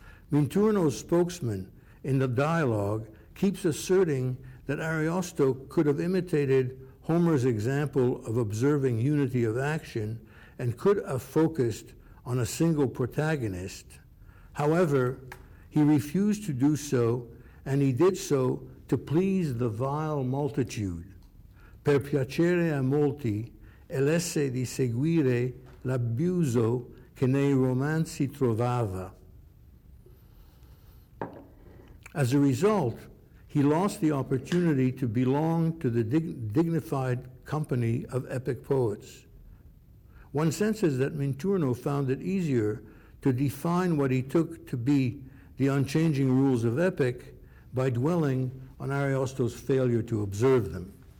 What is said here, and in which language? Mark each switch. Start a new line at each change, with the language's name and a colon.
English: Minturno's spokesman in the dialogue keeps asserting that Ariosto could have imitated Homer's example of observing unity of action and could have focused on a single protagonist. However, he refused to do so, and he did so to please the vile multitude.
Italian: Per piacere a molti, e l'esse di seguire l'abuso che nei romanzi trovava.
English: As a result, he lost the opportunity to belong to the dignified company of epic poets. One senses that Minturno found it easier to define what he took to be the unchanging rules of epic by dwelling on Ariosto's failure to observe them.